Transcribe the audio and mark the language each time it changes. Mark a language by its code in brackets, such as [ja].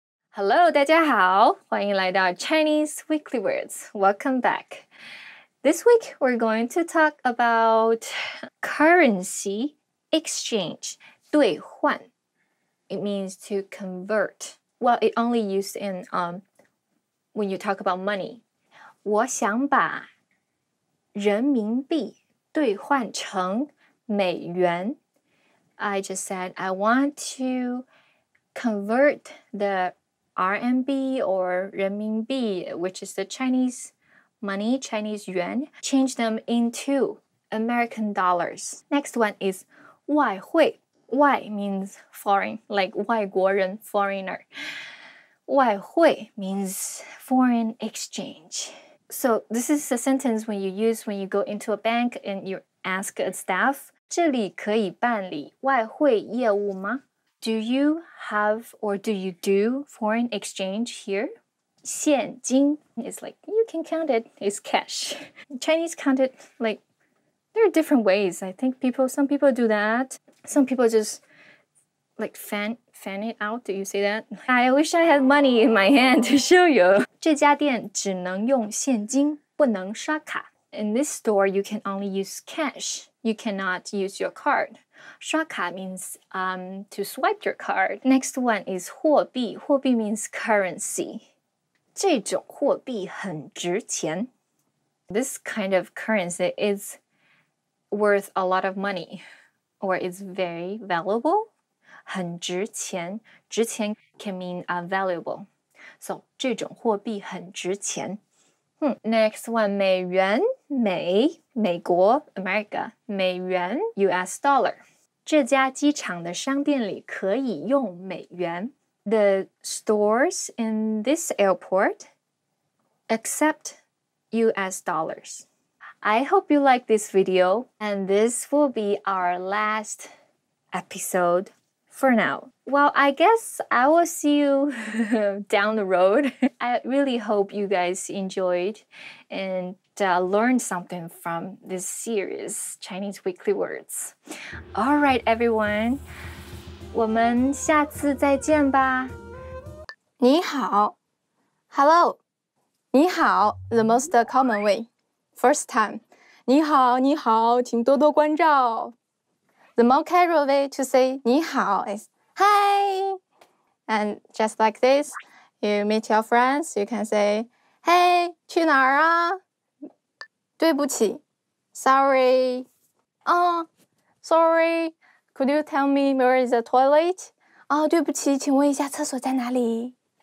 [en] Hello, [zh] 大家好，欢迎来到 [en] Chinese Weekly Words. Welcome back. This week, we're going to talk about currency exchange, 兑换. It means to convert. Well, it only used in when you talk about money. [zh] 我想把人民币兑换成美元. [en] I just said, I want to convert the... RMB or renminbi, which is the Chinese money, Chinese yuan, change them into American dollars. Next one is 外汇.外 means foreign, like 外国人, foreigner. 外汇 means foreign exchange. So this is a sentence when you go into a bank and you ask a staff, [zh] 这里可以办理外汇业务吗? [en] Do you have or do you do foreign exchange here? [zh] 现金 [en] is like, you can count it, it's cash. Chinese count it, like, there are different ways. I think some people do that. Some people just, like, fan it out. Do you say that? I wish I had money in my hand to show you. [zh] 这家店只能用现金,不能刷卡。 [en] In this store, you can only use cash. You cannot use your card. 刷卡 means to swipe your card. Next one is 货币。货币 means currency. [zh] 这种货币很值钱。 [en] This kind of currency is worth a lot of money. Or is very valuable. 很值钱。值钱 can mean valuable. [zh] So, 这种货币很值钱。 [en] Next one, 美元。美国 America. 美元 US dollar. [zh] 这家机场的商店里可以用美元。 [en] The stores in this airport accept US dollars. I hope you like this video, and this will be our last episode for now. Well, I guess I will see you down the road. I really hope you guys enjoyed and learned something from this series, Chinese Weekly Words. All right, everyone. [zh] 我们下次再见吧。你好。 [en] Hello. 你好 the most common way. First time. [zh] 你好你好请多多关照。 [en] The more casual way to say 你好 is Hi! And just like this, you meet your friends, you can say Hey, [zh] 去哪儿啊对不起 [en] Sorry. Oh, sorry. Could you tell me where is the toilet? [zh] Oh, 对不起请问一下厕所在哪里